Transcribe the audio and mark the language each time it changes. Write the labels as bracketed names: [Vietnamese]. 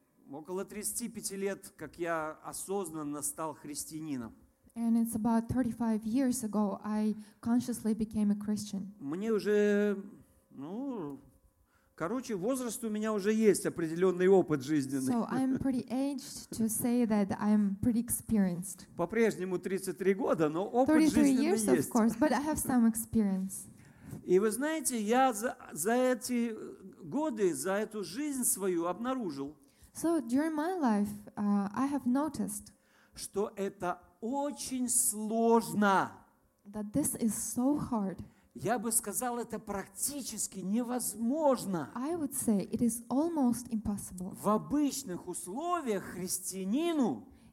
[Russian] около 35 лет, как я осознанно стал христианином. [English] And it's about 35 years ago I consciously became a Christian. [Russian] Мне уже, ну, короче, возраст у меня уже есть определенный опыт жизненный. [English] So I'm pretty aged to say that I'm pretty experienced. [Russian] По-прежнему 33 года, но опыт жизненный есть. [English] 33 years, of course, but I have some experience. [Russian] И вы знаете, я за эти годы, за эту жизнь свою обнаружил. [English] So during my life, I have noticed, [Russian] что это очень сложно. [English] That this is so hard. [Russian] Я бы сказал, это практически невозможно. [English] I would say it is almost impossible. [Russian] В обычных условиях христианину.